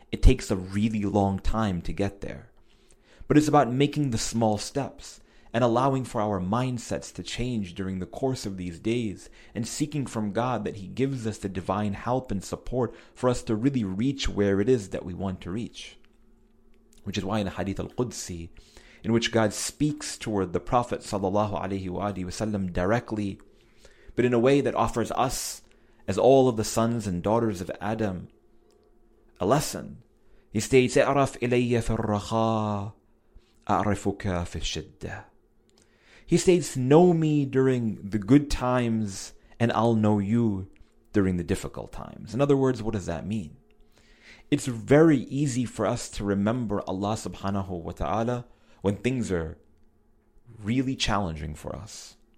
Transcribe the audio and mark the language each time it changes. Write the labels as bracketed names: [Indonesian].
[English] It takes a really long time to get there. But it's about making the small steps and allowing for our mindsets to change during the course of these days and seeking from God that He gives us the divine help and support for us to really reach where it is that we want to reach. Which is why in Hadith al-Qudsi, in which God speaks toward the Prophet sallallahu alayhi wa sallam directly, but in a way that offers us, as all of the sons and daughters of Adam, a lesson. He states, [Arabic] اعرف إلي في الرخاء أعرفك في الشدة. [English] He states, know me during the good times and I'll know you during the difficult times. In other words, what does that mean? It's very easy for us to remember Allah subhanahu wa ta'ala when things are really challenging for us.